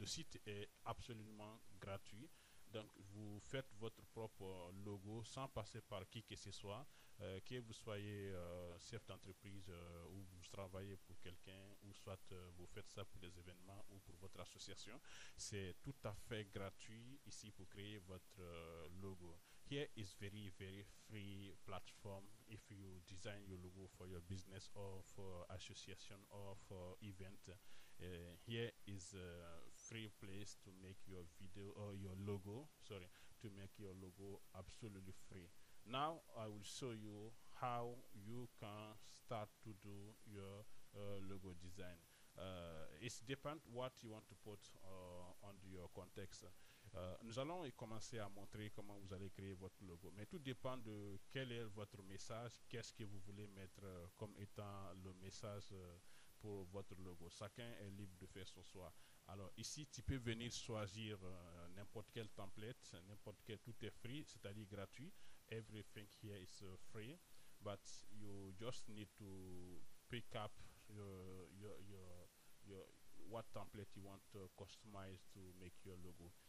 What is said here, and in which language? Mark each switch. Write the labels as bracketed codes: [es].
[fr] Le site est absolument gratuit, donc vous faites votre propre logo sans passer par qui que ce soit, que vous soyez chef d'entreprise ou vous travaillez pour quelqu'un, ou soit vous faites ça pour des événements ou pour votre association. C'est tout à fait gratuit ici pour créer votre logo. [en] Here is very very free platform if you design your logo for your business or for association or for event. Here is a free place to make your video or your logo, sorry, to make your logo absolutely free. Now I will show you how you can start to do your logo design. It depends what you want to put on your context. [fr] Nous allons y commencer à montrer comment vous allez créer votre logo. Mais tout dépend de quel est votre message, qu'est-ce que vous voulez mettre comme étant le message pour votre logo. Chacun est libre de faire son choix. Alors ici, tu peux venir choisir n'importe quel template, n'importe quel, tout est free, c'est-à-dire gratuit. [en] Everything here is free, but you just need to pick up your what template you want to customize to make your logo.